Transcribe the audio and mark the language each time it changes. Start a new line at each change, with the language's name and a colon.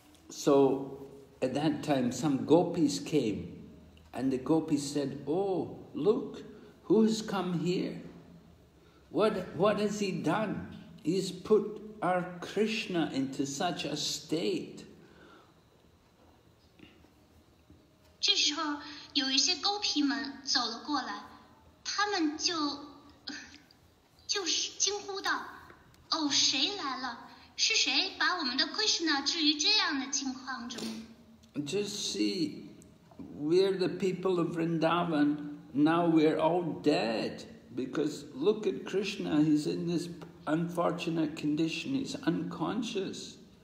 English: So at that time, some gopis came, and the gopis said, "Oh, look, who has come here? What has he done? He's put our Krishna into such a state."
Chinese: 这时候，有一些勾皮们走了过来，他们就是惊呼道，哦，谁来了？是谁把我们的 Krishna 置于这样的境况中？
English: Just see, we're the people of Vrindavan, now we're all dead. Because look at Krishna, he's in this unfortunate condition, he's unconscious.